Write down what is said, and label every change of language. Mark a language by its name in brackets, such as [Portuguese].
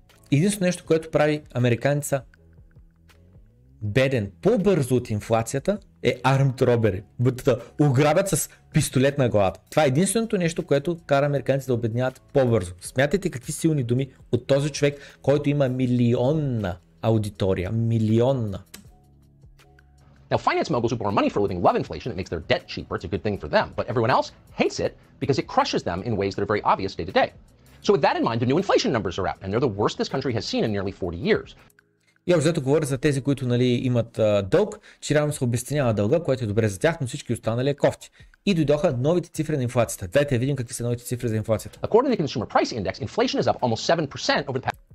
[Bulgarian] Единственото нещо, което прави американеца беден по-бързо от инфлацията, е [English] armed robbery. [Bulgarian] Бъдат ограбят с пистолет на главата. Това е единственото нещо, което кара американците да обедняват по-бързо. Смятайте какви силни думи от този човек, който има милионна аудитория. Милионна. [English] Now finance moguls who borrow money for a living love inflation. It makes their debt cheaper. It's a good thing for them. But everyone else hates it because it crushes them in ways that are very obvious day to day. So with that in mind, the new inflation numbers are out and they're the worst this country has seen in nearly 40 years. [Bulgarian] И обзето говоря за тези, които нали, имат дълг, че реално се обесценява дълга, което е добре за тях, но всички останали е кофти. И дойдоха новите цифри на инфлацията. Дайте видим какви са новите цифри за инфлацията. [English] According to the Consumer Price Index, inflation is up almost 7% over the past...